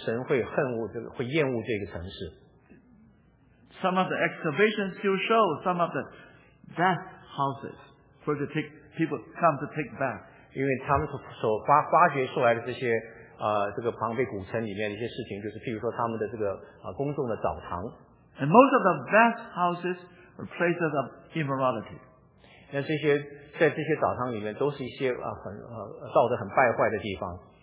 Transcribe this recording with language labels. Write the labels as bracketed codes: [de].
[zh] 他们可以发现到这个为什么神会厌恶这个城市。 [en] Some of the excavations still show some of the death houses where they take people come to take bath. [zh] 因为他们所发掘出来的这些庞贝古城里面的一些事情，就是譬如说他们的这个公众的澡堂。 [en] And most of the bath houses are places of immorality. [zh] 那这些在这些澡堂里面都是一些造得很败坏的地方。